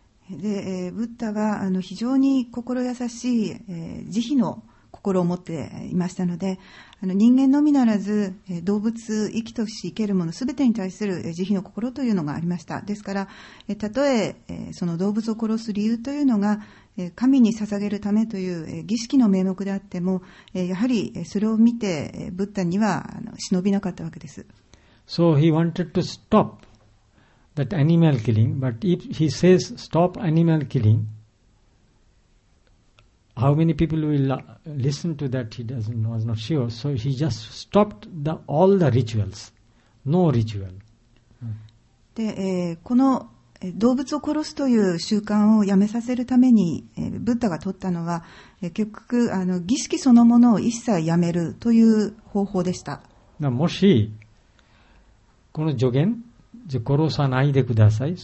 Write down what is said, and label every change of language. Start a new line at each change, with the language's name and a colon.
Japanese: で、ブッダは非常に心優しい、慈悲の心を持っていましたので、人間のみならず動物、生きとし生けるものすべてに対する慈悲の心というのがありました。ですから、たとえその動物を殺す理由というのが神に捧げるためという儀式の名目であっても、やはりそれを見てブッダには忍びなかったわけです。
English: So he wanted to stop that animal killing, but if he says stop animal killing,How many people will listen to that? He doesn't, was not sure. So he just stopped the, all the rituals. No ritual.
Japanese: で、この動物を殺すという習慣をやめさせるために、ブッダが取ったのは、結局儀式そのものを一切やめるという方法でした。もし、この助言、じゃ殺さないでください。